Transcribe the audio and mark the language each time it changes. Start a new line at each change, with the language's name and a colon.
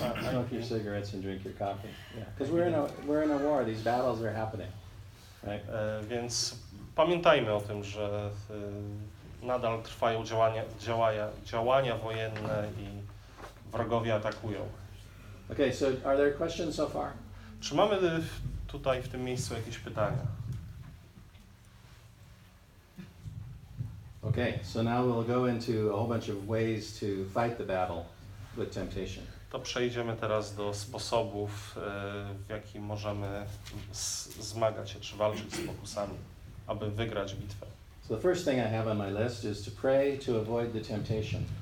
English: Smoke your cigarettes and drink your coffee. Because we're in a war. These battles are happening. Right?
Polish: Więc pamiętajmy o tym, że nadal trwają działania wojenne i wrogowie atakują.
English: Okay, so are there questions so far?
Polish: Czy mamy tutaj w tym miejscu jakieś pytania?
English: Okay, so now we'll go into a whole bunch of ways to fight the battle with temptation.
Polish: To przejdziemy teraz do sposobów, w jaki możemy zmagać się czy walczyć z pokusami, aby wygrać bitwę.
English: So the first thing I have on my list is to pray to avoid the temptation.